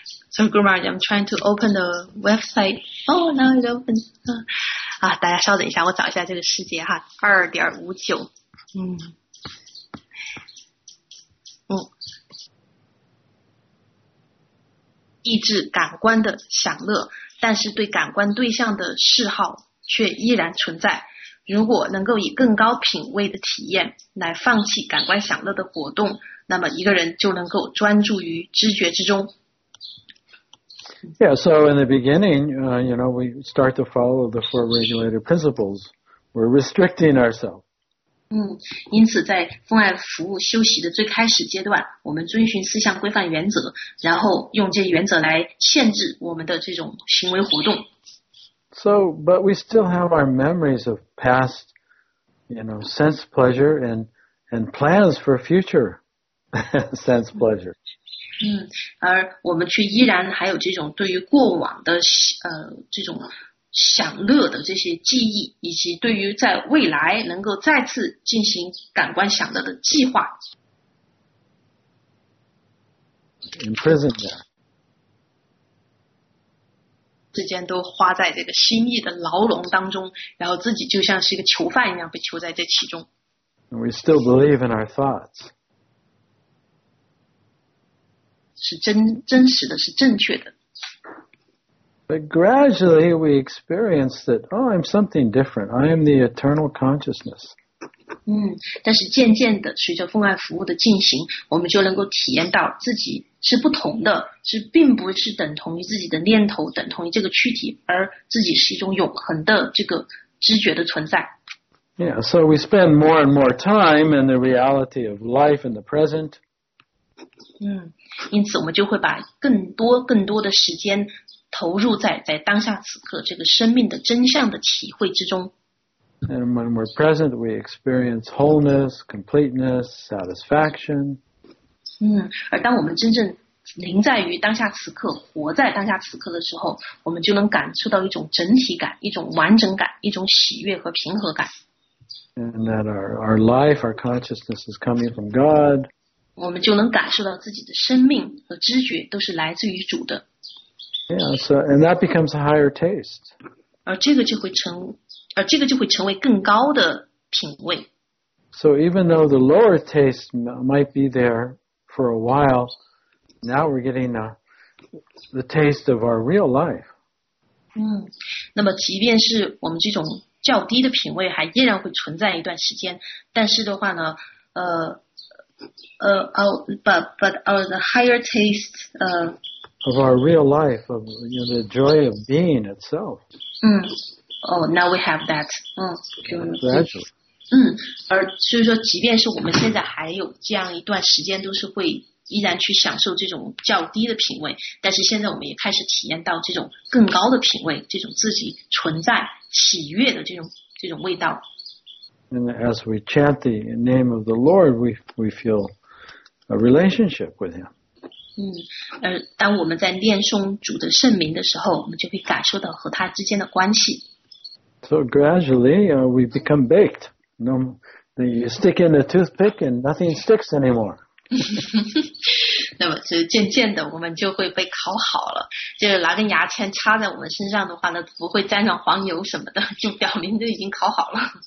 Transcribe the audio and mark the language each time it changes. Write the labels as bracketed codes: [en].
[en] So, Gurmaraj, I'm trying to open the website. Oh, now it opens. [zh] 大家稍等一下，我找一下这个世界哈，2.59。抑制感官的享乐，但是对感官对象的嗜好却依然存在。如果能够以更高品位的体验来放弃感官享乐的活动，那么一个人就能够专注于知觉之中。 [en] Yeah, so in the beginning, you know, we start to follow the four regulator principles. We're restricting ourselves. [zh] 因此在奉爱服务休息的最开始阶段，我们遵循四项规范原则，然后用这些原则来限制我们的这种行为活动。 [en] So, but we still have our memories of past, you know, sense pleasure and plans for future sense pleasure. [zh] 而我们却依然还有这种对于过往的这种享乐的这些记忆，以及对于在未来能够再次进行感官享乐的计划。 [en] Imprisoned there. [zh] 时间都花在这个心意的牢笼当中，然后自己就像是一个囚犯一样被囚在这其中。 [en] We still believe in our thoughts. [zh] 是真实的，是正确的。 [en] But gradually we experience that, oh, I'm something different. I am the eternal consciousness. [zh] 但是渐渐的，随着奉爱服务的进行，我们就能够体验到自己是不同的，是并不是等同于自己的念头，等同于这个躯体，而自己是一种永恒的这个知觉的存在。 [en] Yeah, so we spend more and more time in the reality of life in the present. [zh] 因此我们就会把更多的时间投入在当下此刻这个生命的真相的体会之中。 [en] And when we're present, we experience wholeness, completeness, satisfaction. [zh] 而当我们真正临在于当下此刻，活在当下此刻的时候，我们就能感受到一种整体感，一种完整感，一种喜悦和平和感。 [en] And that our life, our consciousness is coming from God. [zh] 我们就能感受到自己的生命和知觉都是来自于主的。 [en] Yeah, so, and that becomes a higher taste. [zh] 而这个就会成为更高的品味。 [en] So even though the lower taste might be there for a while, now we're getting the taste of our real life. [zh] 那么即便是我们这种较低的品味还依然会存在一段时间，但是的话呢， [en] the higher taste, of our real life, of, you know, the joy of being itself. Now we have that. Gradually. [zh] 而所以说即便是我们现在还有这样一段时间都是会依然去享受这种较低的品味，但是现在我们也开始体验到这种更高的品味，这种自己存在喜悦的这种味道。 [en] And as we chant the name of the Lord, we feel a relationship with him. [zh] 当我们在念诵主的圣名的时候，我们就会感受到和他之间的关系。 [en] So gradually, we become baked. No, you stick in a toothpick and nothing sticks anymore. [zh] 那么就渐渐的我们就会被烤好了，就是拿根牙签插在我们身上的话呢，不会沾上黄油什么的，就表明就已经烤好了。